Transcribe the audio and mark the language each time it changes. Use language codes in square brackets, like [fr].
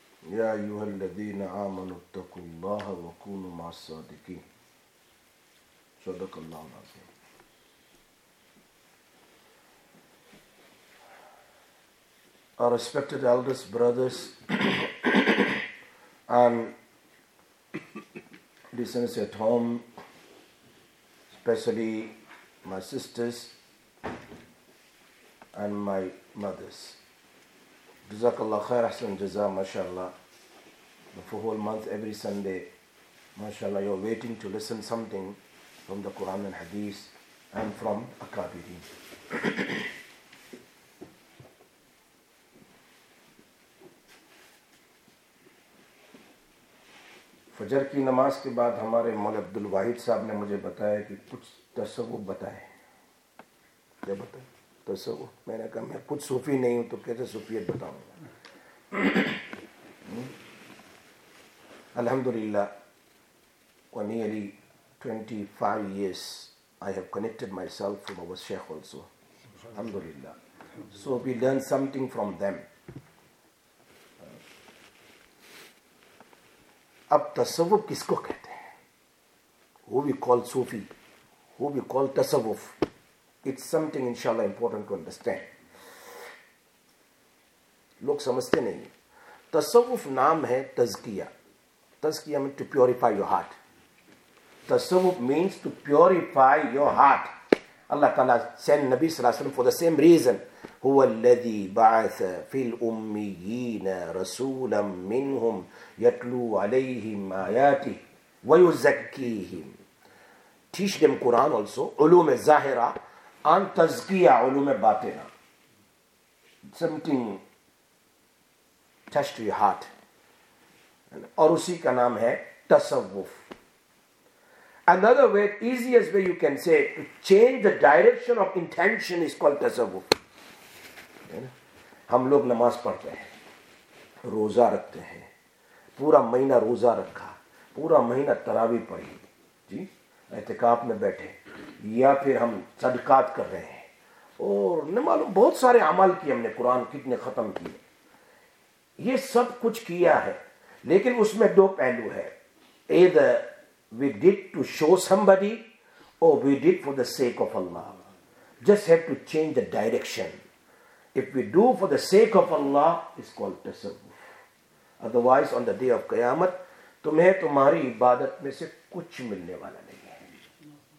[ar] يا أيها الذين آمنوا اتقوا الله وكونوا مع الصادقين صدق الله العظيم [en] Our respected elders, brothers and listeners at home, especially my sisters and my mothers. [ar] Jazakallah khair, ahsan jazah, mashallah. [en] The whole month, every Sunday, mashallah, you're waiting to listen something from the Quran and Hadith and from Akabirin. [ur] فجر کی نماز کے بعد ہمارے مولوی عبد الواحد صاحب نے مجھے بتایا کہ کچھ تصوف بتائیں. کیا بتائیں تصوف؟ میں نے کہا میں کچھ صوفی نہیں ہوں تو کیسے صوفیت بتاؤں گا. [en] الحمدللہ ونی علی 25 years I have connected myself from our sheikh also. الحمدللہ so we learn something from them. [ur] اب تصوف کس کو کہتے ہیں؟ [en] Who we call Sufi? Who we call تصوف? It's something inshallah important to understand. [ur] لوگ سمجھتے نہیں. تصوف نام ہے تزکیہ. [en] تزکیہ means to purify your heart. تصوف means to purify your heart. اللہ تعالیٰ send نبی صلی اللہ علیہ وسلم for the same reason. [ar] هو الذي بعث في الأميين رسولا منهم يتلو عليهم آياته ويزكيهم. [en] Teach them Quran also, علوم الظاهرة and تزكية علوم الباطنة. Something touched your heart. [ur] اور اسی کا نام ہے تصوف. [en] Another way, easiest way you can say to change the direction of intention is called تصوف. [ur] ہم لوگ نماز پڑھتے ہیں, روزہ رکھتے ہیں, پورا مہینہ روزہ رکھا, پورا مہینہ تراویح پڑھی, جی اعتکاف میں بیٹھے, یا پھر ہم صدقات کر رہے ہیں اور نہ معلوم بہت سارے اعمال کیے ہم نے, قرآن کتنے ختم کیے, یہ سب کچھ کیا ہے. لیکن اس میں دو پہلو ہے, [en] either we did to show somebody or we did for the sake of Allah. Just have to change the direction. If we do for the sake of Allah, it's called tasawwuf. Otherwise, on the day of Qiyamah, [ur] tumhe tumhari ibadat mein se kuch milne wala nahi hai.